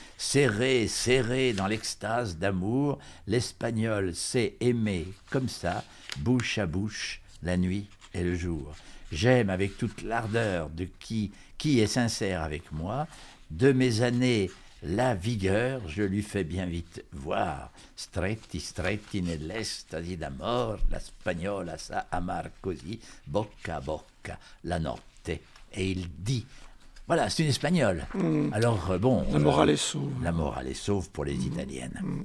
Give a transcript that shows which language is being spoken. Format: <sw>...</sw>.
<fr>Serrée, serrée dans l'extase d'amour, l'Espagnol sait aimer comme ça, bouche à bouche, la nuit et le jour. J'aime avec toute l'ardeur de qui est sincère avec moi, de mes années... La vigueur, je lui fais bien vite voir.</fr> <it>Stretti, stretti nell'estasi d'amor, la spagnola sa amar così, bocca a bocca, la notte.</it> <fr>Et il dit. Voilà, c'est une espagnole. Alors, bon. La morale est sauve. La morale est sauve pour les italiennes.</fr>